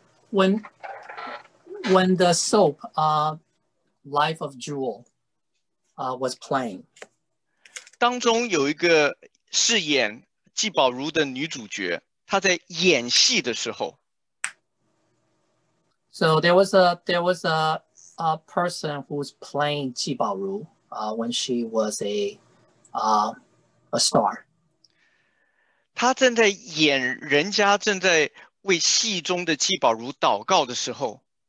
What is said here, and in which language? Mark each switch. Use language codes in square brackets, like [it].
[en] When the soap, Life of Jewel, was playing, [zh] 当中有一个饰演纪宝如的女主角，她在演戏的时候。 [en] So there was a person who was playing 纪宝如when she was a star. [zh] 她正在演人家正在为戏中的纪宝如祷告的时候，